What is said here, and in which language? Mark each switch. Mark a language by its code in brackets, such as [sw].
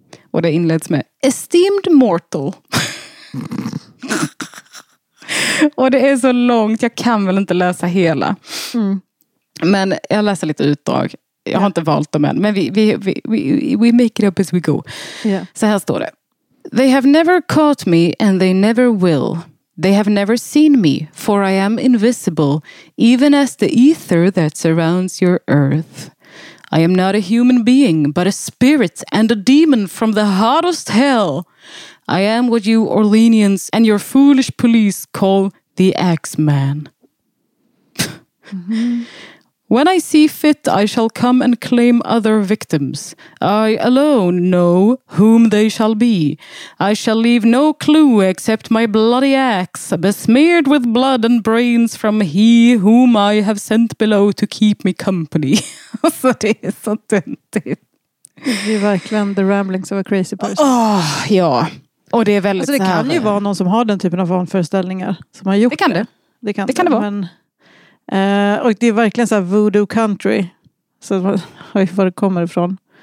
[sv] Och det inleds med, [en] esteemed mortal. [sv] Och det är så långt, jag kan väl inte läsa hela. Mm. Men jag läser lite utdrag. Jag har inte valt dem än, men [en] we make it up as we go. Yeah. [sv] Så här står det. [en] They have never caught me and they never will. They have never seen me, for I am invisible, even as the ether that surrounds your earth. I am not a human being, but a spirit and a demon from the hottest hell. I am what you Orleanians and your foolish police call the Axeman. When I see fit, I shall come and claim other victims. I alone know whom they shall be. I shall leave no clue except my bloody axe, besmeared with blood and brains from he whom I have sent below to keep me company. [sv] Så det är så töntigt. Det är verkligen [en] the ramblings of a crazy person. [sv] Oh, ja, och det är väldigt alltså, det så det kan ju vara någon som har den typen av vanföreställningar som har gjort det. Kan det. Det kan det. Det kan det vara. Men och det är verkligen så här [en] voodoo country. [sv] Så var det kommer ifrån.